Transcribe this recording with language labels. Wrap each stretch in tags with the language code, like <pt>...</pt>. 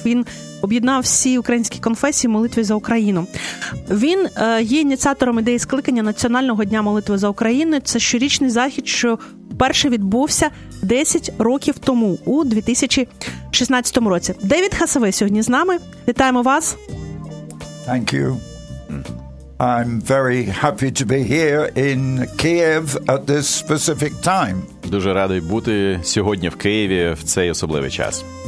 <uk>Він об'єднав всі українські конфесії в молитві за Україну. Він є ініціатором ідеї скликання Національного дня молитви за Україну. Це щорічний захід, що вперше відбувся 10 років тому, у 2016 році. Девід Хасаве сьогодні з нами. Вітаємо вас.</uk> <en>Thank you. I'm very happy to be here in Kiev at this specific time.</en> <uk>Дуже радий бути сьогодні в Києві в цей особливий час.</uk>